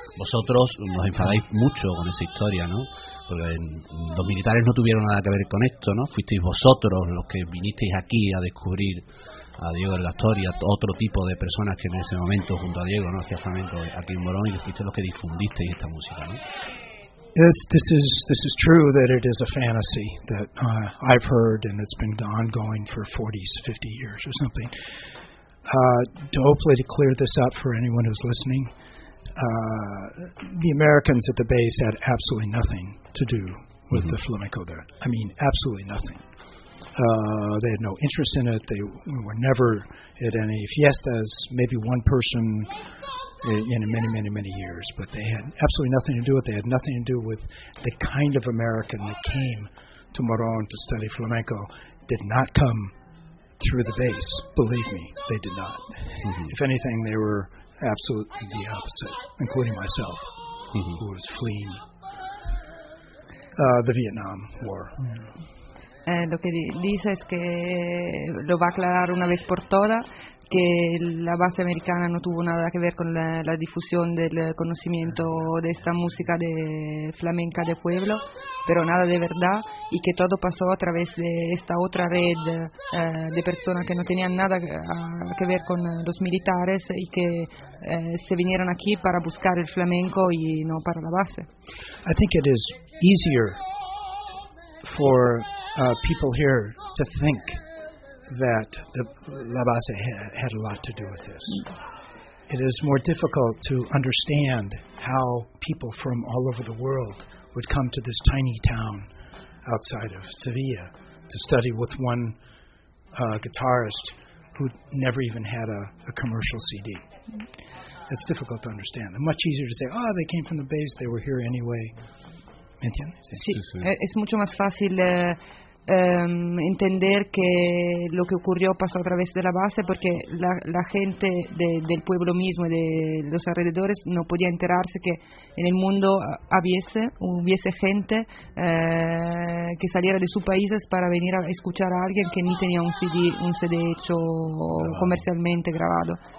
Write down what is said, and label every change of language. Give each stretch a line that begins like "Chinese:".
Spanish: Vosotros nos enfadáis mucho con esa historia, ¿no? Porque los militares no tuvieron nada que ver con esto, ¿no? Fuisteis vosotros los que vinisteis aquí a descubrir a Diego de la Torre y a otro tipo de personas que en ese momento, junto a Diego, no hacía flamenco aquí en Morón, y fuiste los que difundisteis esta música, ¿no?
English: This is true that it is a fantasy that I've heard, and it's been ongoing for 40-50 years or something. Hopefully to clear this up for anyone who's listening, the Americans at the base had absolutely nothing to do with the flamenco there. I mean, absolutely nothing. They had no interest in it. They were never at any fiestas, maybe one person in many, many, many years. But they had absolutely nothing to do with it. They had nothing to do with the kind of American that came to Morón to study flamenco. Did not come through the base. Believe me, they did not. If anything, they were absolutely the opposite, including myself, who was fleeing the Vietnam War.
Spanish: Lo que dice es que lo va a aclarar una vez por todas, que la base americana no tuvo nada que ver con la difusión del conocimiento de esta música de flamenca de pueblo, pero nada de verdad, y que todo pasó a través de esta otra red de personas que no tenían nada que ver con los militares y que se vinieron aquí para buscar el flamenco y no para la base.
English: I think it is easier for people here to think that the La Base had a lot to do with this. It is more difficult to understand how people from all over the world would come to this tiny town outside of Sevilla to study with one guitarist who never even had a commercial CD. It's difficult to understand. And much easier to say, oh, they came from the base, they were here anyway.
Spanish: Sí, es mucho más fácil entender que lo que ocurrió pasó a través de la base, porque la gente del pueblo mismo y de los alrededores no podía enterarse que en el mundo hubiese gente que saliera de sus países para venir a escuchar a alguien que ni tenía un CD hecho comercialmente grabado.